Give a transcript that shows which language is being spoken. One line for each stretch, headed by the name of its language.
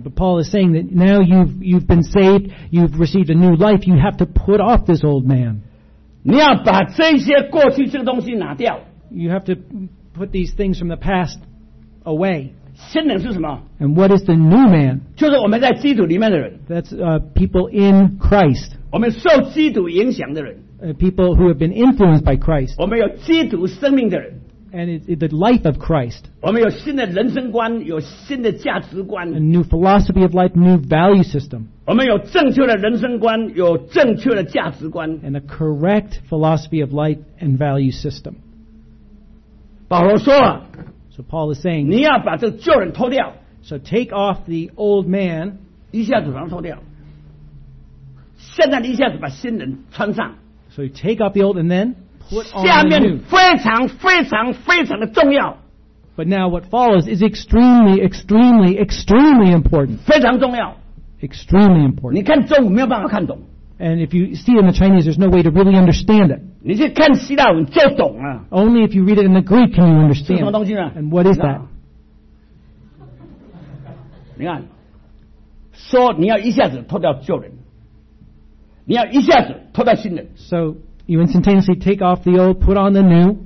English: but Paul is saying that now you've been saved, you've received a new life, you have to put off this old man.
Chinese: 你要把这些过去这个东西拿掉。
English: You have to put these things from the past away.
Chinese: 新人是什么?
English: And what is the new man?
Chinese: 就是我们在基督里面的人。
English: That's people in Christ.
Chinese: 我们受基督影响的人。
English: People who have been influenced by Christ.
Chinese: 我们有基督生命的人。
English: And it's the life of Christ.
Chinese: 我们有新的人生观, 有新的价值观。
English: A new philosophy of life, new value system.
Chinese: 我们有正确的人生观, 有正确的价值观。
English: And a correct philosophy of life and value system.
Chinese: 保罗说啊,
English: so Paul is saying,
Chinese: 你要把这旧人脱掉。
English: So take off the old man.
Chinese: 一下子把它脱掉。现在一下子把新人穿上。
English: So you take off the old and then?
Chinese: 下面非常非常非常的重要。
English: But now what follows is extremely, extremely, extremely important.
Chinese: 非常重要。
English: Extremely important.
Chinese: 你看中文没有办法看懂。
English: And if you see it in the Chinese, there's no way to really understand it.
Chinese: 你去看希腊文就懂了。
English: Only if you read it in the Greek can you understand.
Chinese: 是什么东西呢?
English: And what is that?
Chinese: 你看, 说你要一下子脱掉旧人, 你要一下子脱掉新人。
English: So, you instantaneously take off the old, put on the new.